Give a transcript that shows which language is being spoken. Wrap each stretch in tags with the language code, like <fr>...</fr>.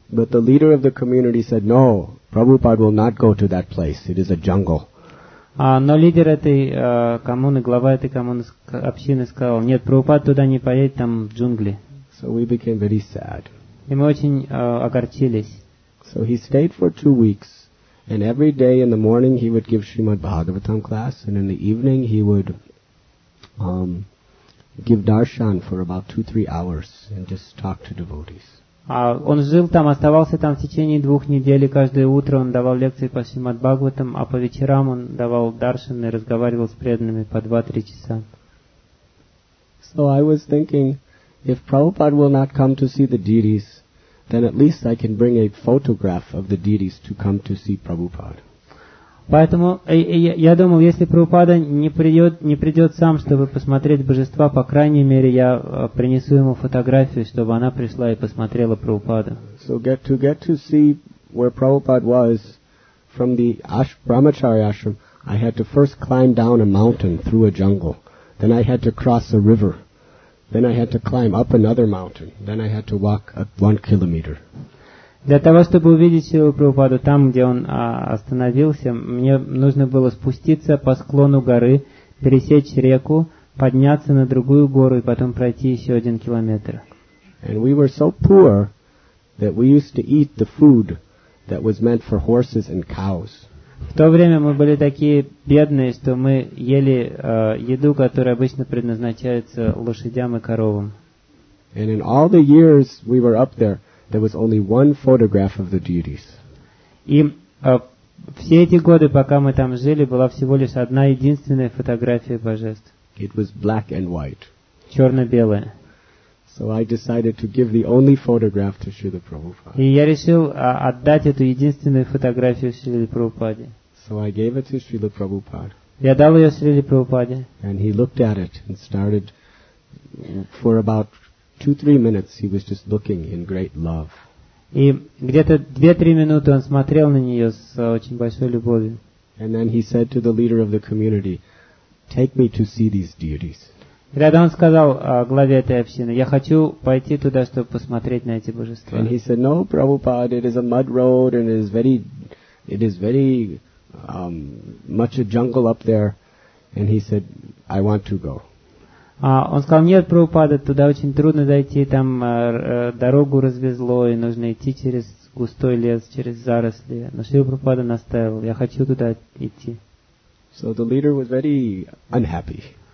<en>But the leader of the community said, no, Prabhupada will not go to that place. It is a jungle.</en> <ru>Но лидер этой коммуны, глава этой коммуны общины сказал, нет, Прабхупада туда не поедет, там джунгли.</ru> <en>So we became very sad.</en> <ru>И мы очень огорчились.</ru> <en>So he stayed for 2 weeks, and every day in the morning he would give Srimad Bhagavatam class, and in the evening he would give darshan for about 2-3 hours and just talk to devotees.</en> <ru>Он жил там, оставался там в течение 2 недель, каждое утро он давал лекции по Шримад Бхагаватам, а по вечерам он давал даршан и разговаривал с преданными по 2-3 часа.</ru> <en>So I was thinking, if Prabhupada will not come to see the deities, then at least I can bring a photograph of the deities to come to see Prabhupada.</en> <ru>Поэтому я думал, если Прабхупада не придет сам, чтобы посмотреть божества, по крайней мере, я принесу ему фотографию, чтобы она пришла и посмотрела Прабхупада.</ru> <en>So to get to see where Prabhupada was from the Brahmacharya ashram, I had to first climb down a mountain through a jungle. Then I had to cross a river. Then I had to climb up another mountain. Then I had to walk 1 kilometer.</en> <ru>Для того, чтобы увидеть Шрилу Прабхупаду там, где он остановился, мне нужно было спуститься по склону горы, пересечь реку, подняться на другую гору и потом пройти еще один километр.</ru> <en>And we were so poor that we used to eat the food that was meant for horses and cows.</en> <ru>В то время мы были такие бедные, что мы ели еду, которая обычно предназначается лошадям и коровам.</ru> <en>And in all the years we were up there, there was only one photograph of the deities.</en> <ru>И все эти годы, пока мы там жили, была всего лишь одна единственная фотография божеств.</ru> <en>It was black and white.</en> <ru>Черно-белая.</ru> <en>So I decided to give the only photograph to Srila Prabhupada.</en> <ru>И я решил отдать эту единственную фотографию Шриле Прабхупаде.</ru> <en>So I gave it to Srila Prabhupada.</en> <ru>Я дал ее Шриле Прабхупаде.</ru> <en>And he looked at it and started for about 2-3 minutes he was just looking in great love.</en> <ru>И где-то 2-3 минуты он смотрел на нее с очень большой любовью.</ru> <en>And then he said to the leader of the community, "Take me to see these deities."</en> <ru>И тогда он сказал главе этой общины, я хочу пойти туда, чтобы посмотреть на эти божества.</ru> <en>And he said, "No, Prabhupada, it is a mud road and it is very much a jungle up there." And he said, "I want to go."</en> <ru>Он сказал, нет, Прабхупада, туда очень трудно дойти, там дорогу развезло, и нужно идти через густой лес, через заросли. Но Шрила Прабхупада настаивал, я хочу туда идти.</ru> <en>So the leader was very unhappy.</en>